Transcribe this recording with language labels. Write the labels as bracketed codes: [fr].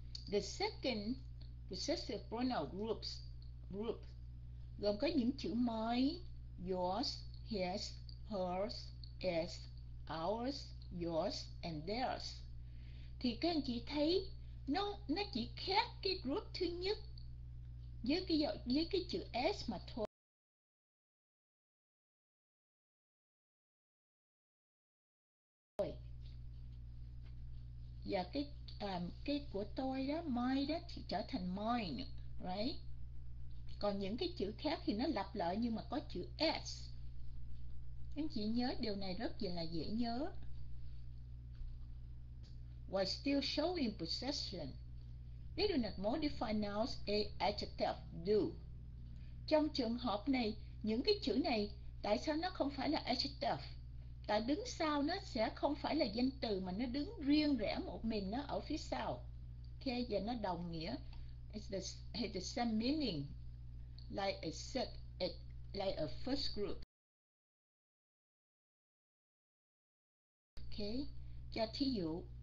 [en] The second possessive pronoun group [vi] gồm có những chữ [en] my, yours, his, hers, its, ours, yours and theirs. [vi] Thì các anh chị thấy nó chỉ khác cái group thứ nhất với cái chữ S mà thôi. Và cái của tôi đó, my đó thì trở thành mine, right? Còn những cái chữ khác thì nó lặp lại nhưng mà có chữ S. Anh chị nhớ điều này rất là dễ nhớ. [en] While still showing possession, they do not modify nouns a adjective do. [vi] Trong trường hợp này, những cái chữ này tại sao nó không phải là adjective? Tại đứng sau nó sẽ không phải là danh từ mà nó đứng riêng rẽ một mình nó ở phía sau. Okay, và nó đồng nghĩa. [en] It's the same meaning like a set, like a first group. [vi] Okay, cho thí dụ.